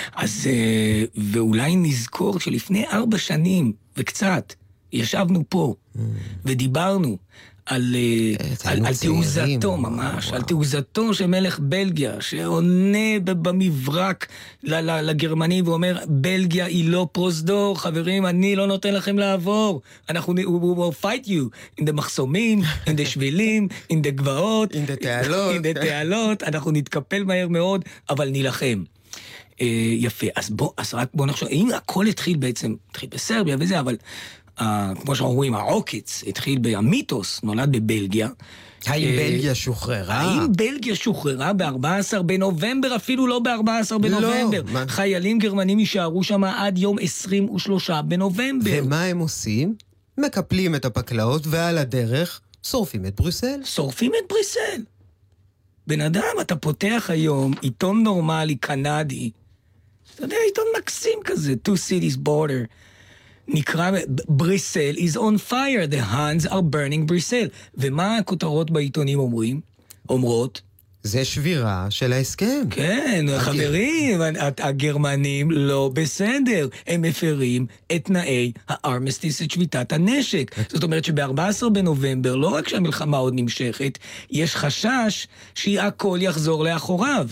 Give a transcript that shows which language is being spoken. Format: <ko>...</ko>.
<he>אז, ואולי נזכור שלפני 4 שנים, וקצת, ישבנו פה, ודיברנו, על תעוזתו, ממש, על תעוזתו של מלך בלגיה, שעונה במברק לגרמנים ואומר, בלגיה היא לא פרוסדור, חברים, אני לא נותן לכם לעבור. אנחנו,</he> <en>we will fight you in the</en> <he>מחסומים,</he> <en>in the</en> <he>שבילים,</he> <en>in the</en> <he>גבעות,</he> <en>in the</en> <he>תעלות.</he> <en>In the</en> <he>תעלות, אנחנו נתקפל מהר מאוד, אבל נילחם. יפה, אז רק בוא נחשוב, אם הכל התחיל בעצם, התחיל בסרביה וזה, אבל כמו שאנחנו רואים, העוקץ התחיל במיתוס, נולד בבלגיה. האם בלגיה שוחררה? האם בלגיה שוחררה ב-14 בנובמבר? אפילו לא ב-14 בנובמבר. לא, חיילים מה? גרמנים יישארו שם עד יום 23 בנובמבר. ומה הם עושים? מקפלים את הפקלאות ועל הדרך שורפים את בריסל. שורפים את בריסל. בן אדם, אתה פותח היום עיתון נורמלי קנדי. אתה יודע, עיתון מקסים כזה, Two Cities Border. נקרא, בריסל</he> <en>is on fire, the Huns are burning Brussels.</en> <he>ומה הכותרות בעיתונים אומרות? זה שבירה של ההסכם. כן, חברים, הגרמנים לא בסדר. הם מפרים את תנאי הארמיסטיס, את שביתת הנשק. זאת אומרת שב-14 בנובמבר, לא רק שהמלחמה עוד נמשכת, יש חשש שהכל יחזור לאחוריו.</he>